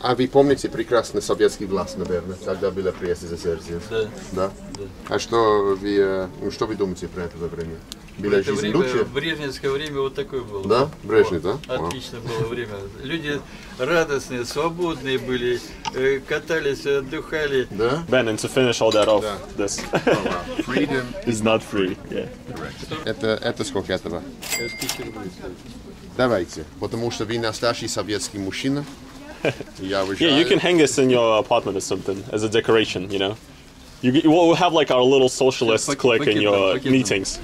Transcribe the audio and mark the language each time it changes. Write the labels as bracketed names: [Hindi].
[Russian] А вы помните прекрасный советский власт, наверное, когда была при СССР? Да. Да. А что вы, что вы думаете про это время? Было жизнь лучше? В брежневское время вот такое было. Да? Брежнев, да? Отлично было время. Люди радостные, свободные были, катались, отдыхали. Да? [English] Бен, and to finish all that off, this. Freedom is not free. Yeah. [Russian] Это сколько этого? Давайте, потому что вы настоящий советский мужчина. [English] Yeah, you can hang this in your apartment or something as a decoration, you know. We'll have like our little socialist clique in your meetings.